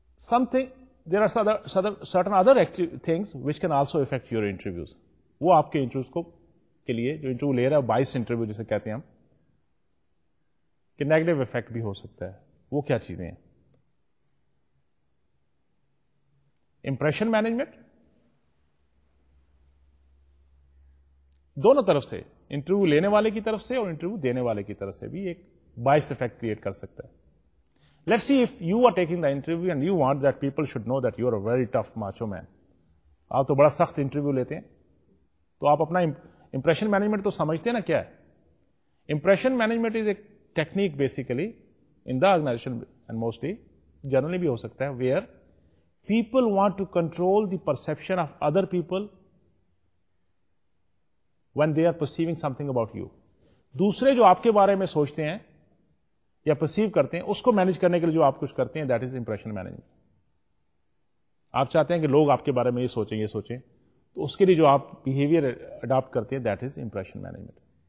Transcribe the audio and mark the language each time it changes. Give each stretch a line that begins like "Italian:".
English: certain other things which can also affect your interviews.
Urdu: وہ آپ کے انٹرویوز کو کے لیے جو انٹرویو لے رہا ہے بائس انٹرویو جسے کہتے ہیں ہم، کہ نیگیٹو افیکٹ بھی ہو سکتا ہے. وہ کیا چیزیں ہیں؟ Impression management. دونوں طرف سے، انٹرویو لینے والے کی طرف سے اور انٹرویو دینے والے کی طرف سے بھی ایک بائس افیکٹ کریٹ کر سکتا ہے.
English: Let's see if you are taking the interview and you want that people should know that you are a very tough macho man.
Urdu: آپ تو بڑا سخت انٹرویو لیتے ہیں، تو آپ اپنا امپریشن مینجمنٹ تو سمجھتے ہیں نا کیا ہے.
English: impression management is a technique basically in the organisation and mostly generally
Urdu: بھی ہو سکتا ہے،
English: Where people want to control the perception of other people when they are perceiving something about you.
Urdu: دوسرے جو آپ کے بارے میں سوچتے ہیں یا پرسیو کرتے ہیں، اس کو مینج کرنے کے لیے جو آپ کچھ کرتے ہیں،
English: That is impression management.
Urdu: آپ چاہتے ہیں کہ لوگ آپ کے بارے میں یہ سوچیں، تو اس کے لیے جو آپ بیہیویئر اڈاپٹ کرتے ہیں،
English: That is impression management.